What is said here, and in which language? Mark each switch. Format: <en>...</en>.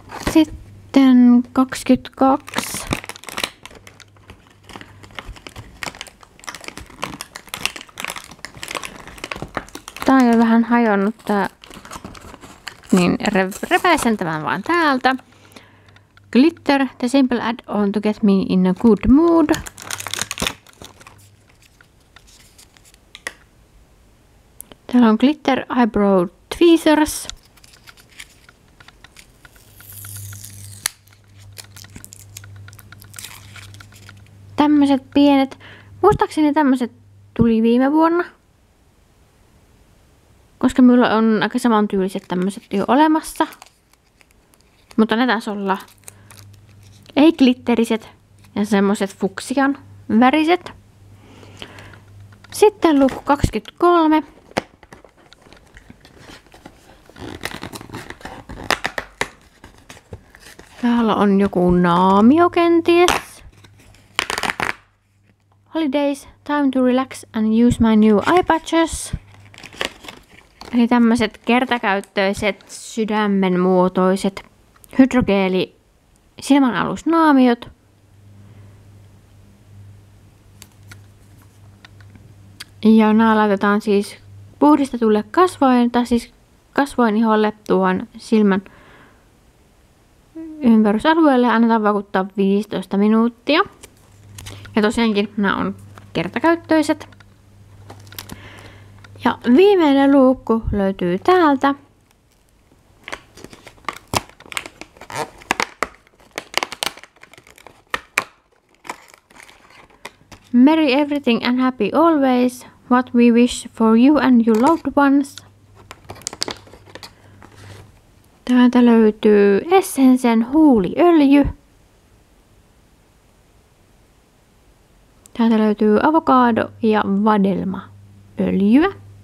<fi>Sitten 22. Tää on jo vähän hajonnut tää. Niin repäisen tämän vaan täältä.</fi> <en>Glitter, the simple add-on to get me in a good mood.</en> <fi>Täällä on glitter eyebrow tweezers. Tämmöset pienet. Muistaakseni tämmöset tuli viime vuonna. Koska minulla on aika samantyyliset tämmöiset jo olemassa. Mutta ne taas olla ei-glitteriset ja semmoset fuksian väriset. Sitten luku 23. Täällä on joku naamio kenties.</fi> <en>Holidays, time to relax and use my new eye patches.</en> <fi>Eli tämmöiset kertakäyttöiset, sydämen muotoiset, hydrogeeli, silmänalusnaamiot. Ja nämä laitetaan siis puhdistetulle kasvoin, tai siis kasvoiniholle tuon silmän ympärysalueelle annetaan vakuuttaa 15 minuuttia. Ja tosiaankin nämä on kertakäyttöiset. Ja viimeinen luukku löytyy täältä.</fi> <en>Merry everything and happy always. What we wish for you and your loved ones.</en> <fi>Täältä löytyy Essensen huuliöljy. Täältä löytyy avokaado ja vadelmaöljyä.</fi>